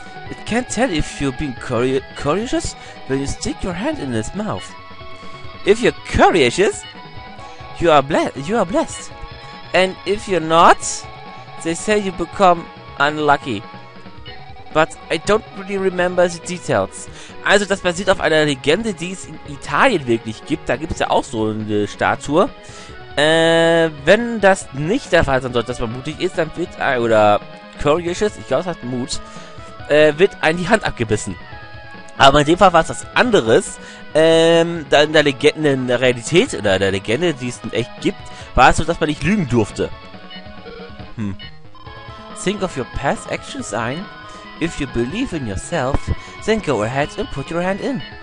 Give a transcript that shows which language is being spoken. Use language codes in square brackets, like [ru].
[en] It can't tell if you're being courageous when you stick your hand in its mouth. If you're courageous, you are blessed. And if you're not, they say you become unlucky. But I don't really remember the details. [de] Also das basiert auf einer Legende, die es in Italien wirklich gibt. Da gibt es ja auch so eine Statue. Wenn das nicht der Fall sein sollte, dass man mutig ist, dann wird ein, oder courageous, ich glaube es hat Mut, wird einem die Hand abgebissen. Aber in dem Fall war es was anderes. Da in der Legende, in der Realität oder in der Legende, die es denn echt gibt, war es so, dass man nicht lügen durfte. [en] Think of your past actions ein. If you believe in yourself, then go ahead and put your hand in.